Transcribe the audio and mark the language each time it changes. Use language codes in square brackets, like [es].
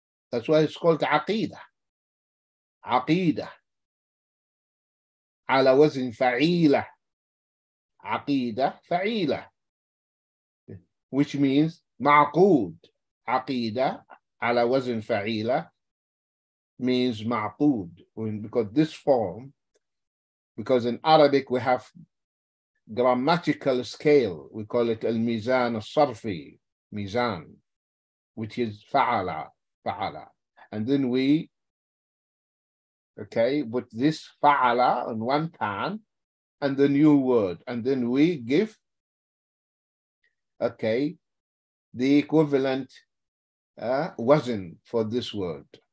[en] That's why it's called عقيدة. [ar] عقيدة. على وزن فعيلة. عقيدة فعيلة. [en] Which means معقود. [ar] عقيدة على وزن فعيلة [en] means [ar] معقود. [en] Because this form, because in Arabic we have grammatical scale, we call it al-mizan al-sarfi, mizan, which is fa'ala, fa'ala. And then we, okay, put this fa'ala on one pan and the new word, and then we give, okay, the equivalent wasn for this word.